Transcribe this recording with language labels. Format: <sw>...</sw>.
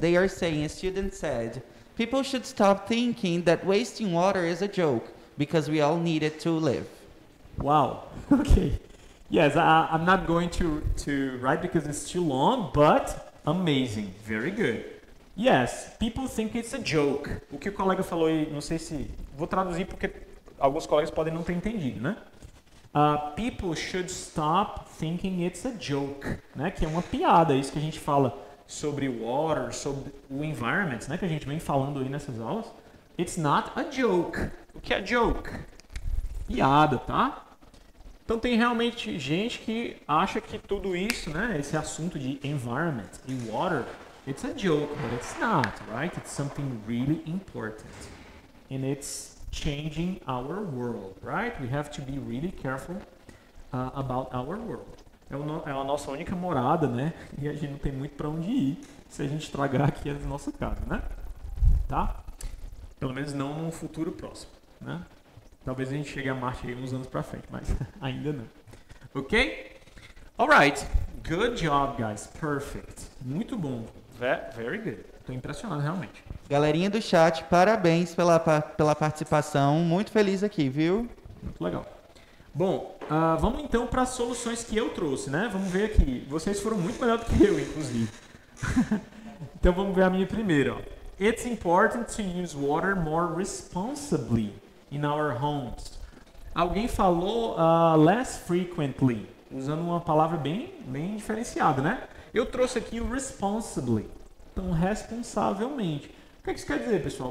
<en>They are saying, a student said, people should stop thinking that wasting water is a joke, because we all need it to live. Wow, okay. Yes, I'm not going to write because it's too long, but amazing, very good. Yes, people think it's a joke.</en> <pt>O que o colega falou aí, não sei se... Vou traduzir porque alguns colegas podem não ter entendido, né?</pt> <en>People should stop thinking it's a joke, né?</en> <pt>Que é uma piada, isso que a gente fala sobre water, sobre o environment, né? Que a gente vem falando aí nessas aulas.</pt> <en>It's not a joke.</en> <pt>O que é joke? Piada, tá? Então tem realmente gente que acha que tudo isso, né, esse assunto de environment e water,</pt> <en>it's a joke, but it's not, right? It's something really important. And it's changing our world, right? We have to be really careful about our world.</en> <pt>É a nossa única morada, né? E a gente não tem muito para onde ir se a gente estragar aqui as nossas casas, né? Tá? Pelo menos não num futuro próximo, né? Talvez a gente chegue a Marte aí uns anos para frente, mas ainda não.</pt> <en>Ok? Alright. Good job, guys. Perfect.</en> <pt>Muito bom.</pt> <en>Very good.</en> <pt>Estou impressionado, realmente. Galerinha do chat, parabéns pela participação. Muito feliz aqui, viu? Muito legal. Bom, vamos então para as soluções que eu trouxe, né? Vamos ver aqui. Vocês foram muito melhor do que eu, inclusive. Então vamos ver a minha primeira.</pt> <en>It's important to use water more responsibly in our homes.</en> <pt>Alguém falou</pt> <en>less frequently,</en> <pt>usando uma palavra bem diferenciada, né? Eu trouxe aqui o responsibly, então responsavelmente. O que isso quer dizer, pessoal?</pt>